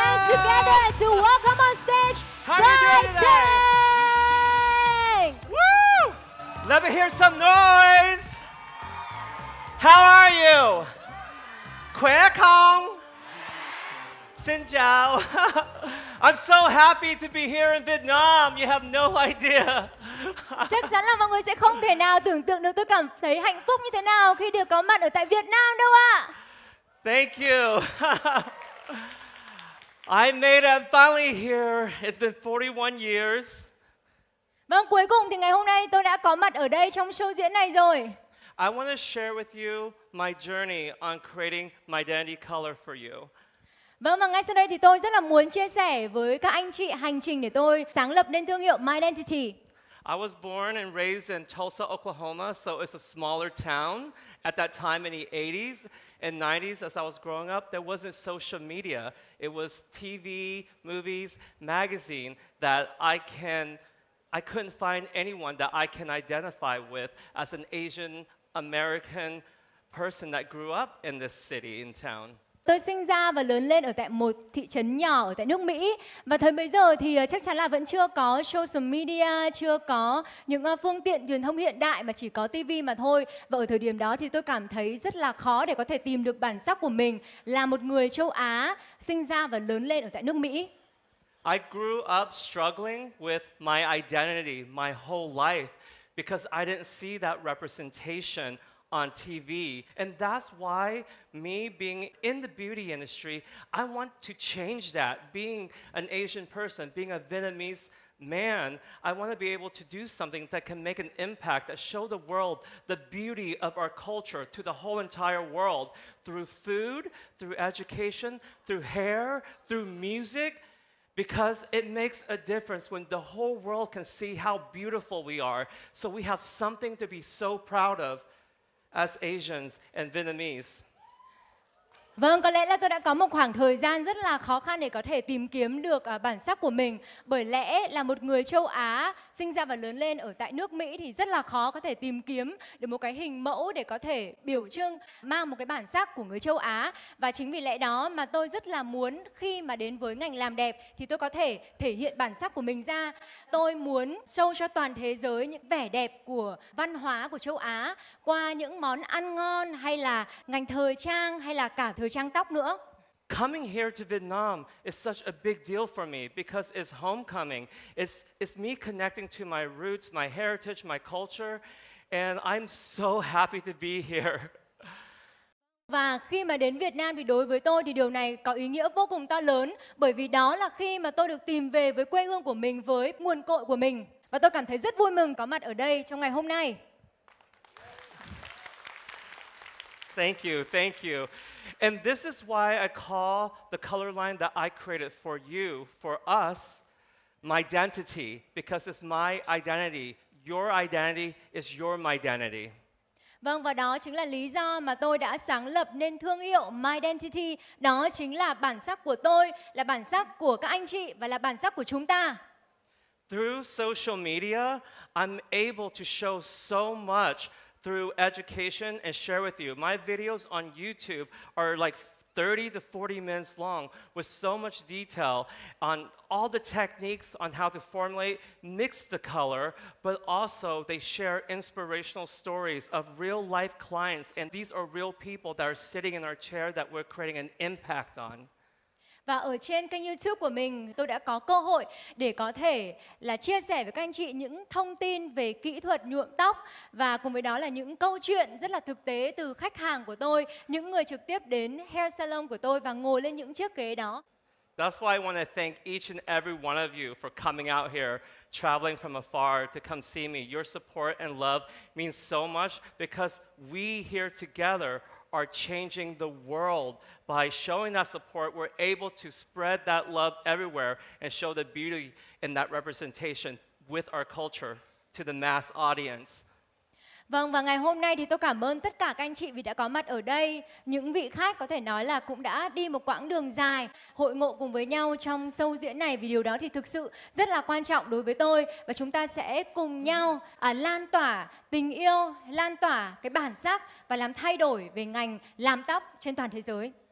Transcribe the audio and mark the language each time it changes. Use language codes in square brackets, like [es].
[en] together to welcome on stage Guy Tang! Woo! Let me hear some noise! How are you? [vi] Khỏe không? Xin chào! [en] I'm so happy to be here in Vietnam. You have no idea. [vi] Chắc chắn là mọi người sẽ không thể nào tưởng tượng được tôi cảm thấy hạnh phúc như thế nào khi được có mặt ở tại Việt Nam đâu ạ. [en] Thank you. I made it. I'm finally here. It's been 41 years. [vi] Vâng, cuối cùng thì ngày hôm nay tôi đã có mặt ở đây trong show diễn này rồi. [en] I want to share with you my journey on creating my identity color for you. [vi] Vâng, và ngay sau đây thì tôi rất là muốn chia sẻ với các anh chị hành trình để tôi sáng lập nên thương hiệu My Identity. [en] I was born and raised in Tulsa, Oklahoma, so it's a smaller town. At that time in the 80s and 90s, as I was growing up, there wasn't social media. It was TV, movies, magazine that I couldn't find anyone that I can identify with as an Asian American person that grew up in this city, in town. [vi] Tôi sinh ra và lớn lên ở tại một thị trấn nhỏ ở tại nước Mỹ. Và thời bấy giờ thì chắc chắn là vẫn chưa có social media, chưa có những phương tiện truyền thông hiện đại mà chỉ có TV mà thôi. Và ở thời điểm đó thì tôi cảm thấy rất là khó để có thể tìm được bản sắc của mình là một người châu Á sinh ra và lớn lên ở tại nước Mỹ. [en] I grew up struggling with my identity my whole life because I didn't see that representation on TV, and that's why me being in the beauty industry, I want to change that. Being an Asian person, being a Vietnamese man, I want to be able to do something that can make an impact, that show the world the beauty of our culture to the whole entire world through food, through education, through hair, through music, because it makes a difference when the whole world can see how beautiful we are. So we have something to be so proud of as Asians and Vietnamese. [vi] Vâng, có lẽ là tôi đã có một khoảng thời gian rất là khó khăn để có thể tìm kiếm được bản sắc của mình. Bởi lẽ là một người châu Á sinh ra và lớn lên ở tại nước Mỹ thì rất là khó có thể tìm kiếm được một cái hình mẫu để có thể biểu trưng mang một cái bản sắc của người châu Á. Và chính vì lẽ đó mà tôi rất là muốn khi mà đến với ngành làm đẹp thì tôi có thể thể hiện bản sắc của mình ra. Tôi muốn show cho toàn thế giới những vẻ đẹp của văn hóa của châu Á qua những món ăn ngon hay là ngành thời trang hay là cả thời trang tóc nữa. [en] Coming here to Vietnam is such a big deal for me because it's homecoming. It's me connecting to my roots, my heritage, my culture, and I'm so happy to be here. [vi] Và khi mà đến Việt Nam thì đối với tôi thì điều này có ý nghĩa vô cùng to lớn bởi vì đó là khi mà tôi được tìm về với quê hương của mình, với nguồn cội của mình. Và tôi cảm thấy rất vui mừng có mặt ở đây trong ngày hôm nay. [en] Thank you, thank you. And this is why I call the color line that I created for you, for us, my identity, because it's my identity. Your identity is your my identity. [vi] Vâng, và đó chính là lý do mà tôi đã sáng lập nên thương hiệu My Identity. Đó chính là bản sắc của tôi, là bản sắc của các anh chị và là bản sắc của chúng ta. [en] Through social media, I'm able to show so much through education and share with you. My videos on YouTube are like 30 to 40 minutes long with so much detail on all the techniques on how to formulate, mix the color, but also they share inspirational stories of real life clients. And these are real people that are sitting in our chair that we're creating an impact on. [vi] Và ở trên kênh YouTube của mình, tôi đã có cơ hội để có thể là chia sẻ với các anh chị những thông tin về kỹ thuật nhuộm tóc và cùng với đó là những câu chuyện rất là thực tế từ khách hàng của tôi, những người trực tiếp đến hair salon của tôi và ngồi lên những chiếc ghế đó. [en] That's why I want to thank each and every one of you for coming out here, traveling from afar to come see me. Your support and love means so much because we here together are changing the world. By showing that support, we're able to spread that love everywhere and show the beauty in that representation with our culture to the mass audience. [vi] Vâng, và ngày hôm nay thì tôi cảm ơn tất cả các anh chị vì đã có mặt ở đây. Những vị khách có thể nói là cũng đã đi một quãng đường dài hội ngộ cùng với nhau trong show diễn này vì điều đó thì thực sự rất là quan trọng đối với tôi. Và chúng ta sẽ cùng nhau lan tỏa tình yêu, lan tỏa cái bản sắc và làm thay đổi về ngành làm tóc trên toàn thế giới.